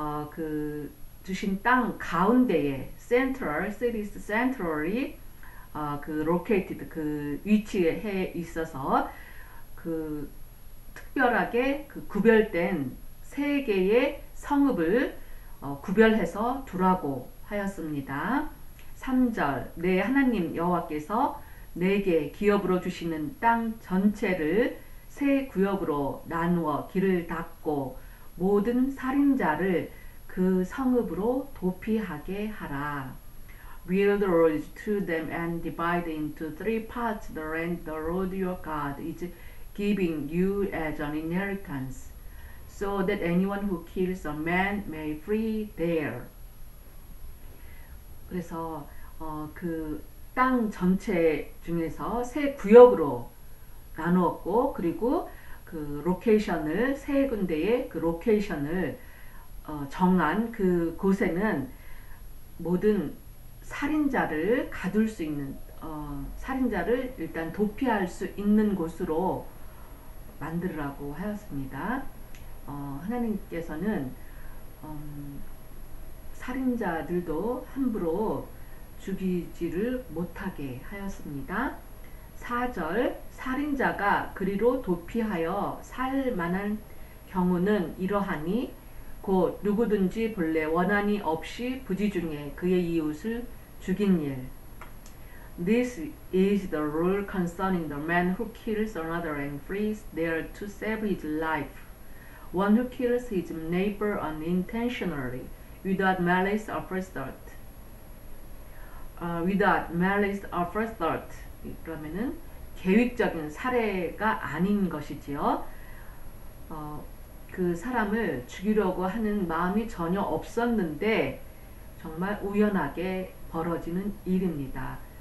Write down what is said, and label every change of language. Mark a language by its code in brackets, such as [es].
[ko] 그 주신 땅 가운데에 [en] central cities centrally [ko] 그 located 그 위치에 있어서 그 특별하게 그 구별된 세 개의 성읍을 구별해서 두라고 하였습니다. 3절, 내 하나님 여호와께서 내게 기업으로 주시는 땅 전체를 세 구역으로 나누어 길을 닫고 모든 살인자를 그 성읍으로 도피하게 하라. [en] Build roads to them and divide into three parts the land the Lord your God is giving you as an inheritance, so that anyone who kills a man may flee there. [ko] 그래서 그땅 전체 중에서 세 구역으로 나누었고, 그리고 그 로케이션을 세 군데의 그 로케이션을 정한 그 곳에는 모든 살인자를 가둘 수 있는 살인자를 일단 도피할 수 있는 곳으로 만들으라고 하였습니다. 하나님께서는 살인자들도 함부로 죽이지를 못하게 하였습니다. 4절, 살인자가 그리로 도피하여 살 만한 경우는 이러하니 곧 누구든지 본래 원한이 없이 부지 중에 그의 이웃을 죽인 일. [en] This is the rule concerning the man who kills another and flees there to save his life. One who kills his neighbor unintentionally, without malice aforethought. Without malice aforethought. [ko] 그러면은 계획적인 살해가 아닌 것이지요. 그 사람을 죽이려고 하는 마음이 전혀 없었는데 정말 우연하게 벌어지는 일입니다.